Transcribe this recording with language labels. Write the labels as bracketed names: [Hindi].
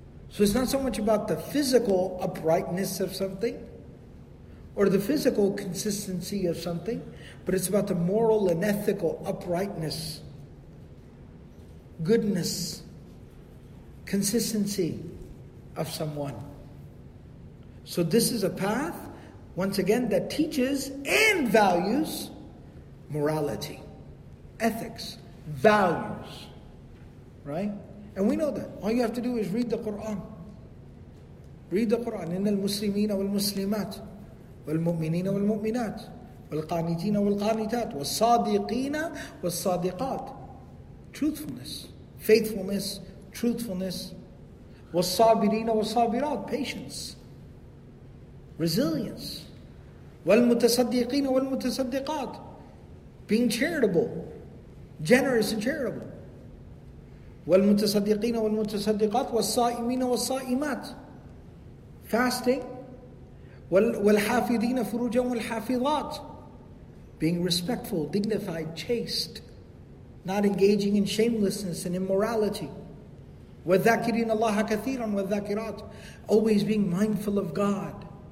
[English] So it's not so much about the physical uprightness of something, or the physical consistency of something, but it's about the moral and ethical uprightness, goodness, consistency of someone. So this is a path, once again, that teaches and values morality, ethics, values, right? And we know that. All you have to do is read the Quran. Read the Quran. [Arabic] إن المسلمين والمسلمات والمؤمنين والمؤمنات والقانتين والقانتات والصادقين والصادقات. [English] Truthfulness, faithfulness, truthfulness. [Arabic] والصابرين والصابرات, [English] patience, resilience. [Arabic] والمتصدقين والمتصدقات, [English] being charitable, generous and charitable. [Arabic] والمتصدقين والمتصدقات والصائمين والصائمات, [English] fasting. [Arabic] والحافظين فروجا والحافظات, [English] being respectful, dignified, chaste, not engaging in shamelessness and immorality. [Arabic] وَذَّكِرِينَ اللَّهَ كَثِيرًا وَالذَّكِرَاتِ, [English] always being mindful of God.